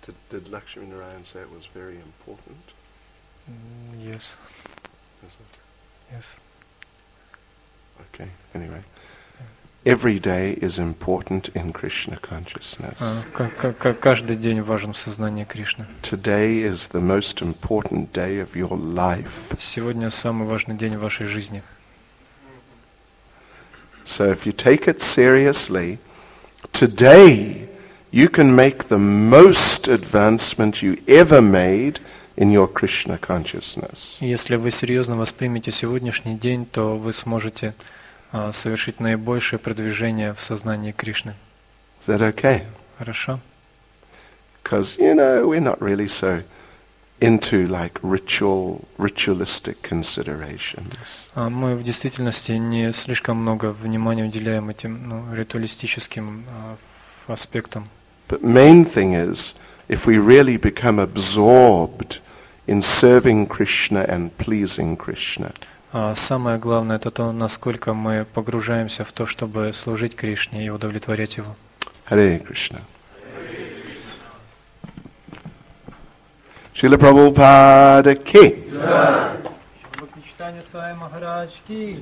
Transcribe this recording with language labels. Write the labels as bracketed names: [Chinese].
[English] Did Lakshmi Narayan say it was very important? Yes. Is it? Yes. Okay, anyway. Every day is important in Krishna consciousness. [Russian] Каждый день важен в сознании Кришны. [English] Today is the most important day of your life. [Russian] Сегодня самый важный день в вашей жизни. [English] So if you take it seriously, today you can make the most advancement you ever made in your Krishna consciousness. [Russian] Если вы серьезно воспримете сегодняшний день, то вы сможете совершить наибольшее продвижение в сознании Кришны. [English] Is that okay? [Russian] Хорошо. [English] Because, you know, we're not really so into like ritualistic considerations. [Russian] Мы в действительности не слишком много внимания уделяем этим ритуалистическим аспектам. [English] But main thing is, if we really become absorbed in serving Krishna and pleasing Krishna. [Russian] Самое главное – это то, насколько мы погружаемся в то, чтобы служить Кришне и удовлетворять Его. [English] Hare Krishna. [Hindi] Шрила Прабхупада ки. Джай. Шрила Кришна Свами Махарадж ки.